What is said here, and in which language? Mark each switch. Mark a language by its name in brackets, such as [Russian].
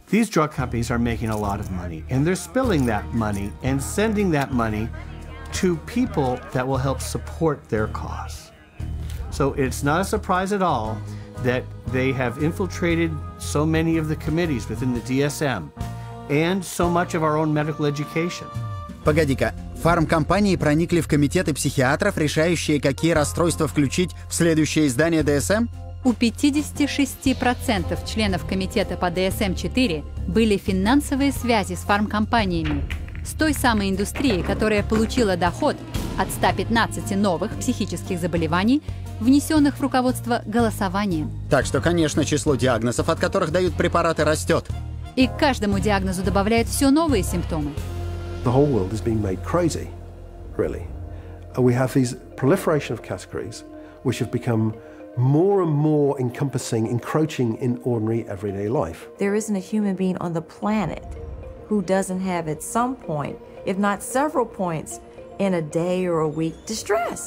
[English] These drug companies are making a lot of money, and they're spilling that money and sending that money to people that will help support their cause. So it's not a surprise at all that they have infiltrated so many of the committees within the DSM and so much of our own medical education. [Russian] Погоди-ка. Фармкомпании проникли в комитеты психиатров, решающие, какие расстройства включить в следующее издание DSM? У 56% членов комитета по DSM-4 были финансовые связи с фармкомпаниями. с той самой индустрией, которая получила доход от 115 новых психических заболеваний, внесенных в руководство голосованием. Так что, конечно, число диагнозов, от которых дают препараты, растет. И к каждому диагнозу добавляют все новые симптомы. [English] The whole world is being made crazy, really. We have these proliferation of categories, which have become more and more encompassing, encroaching in ordinary everyday life. There isn't a human being on the planet who doesn't have at some point, if not several points, in a day or a week, distress.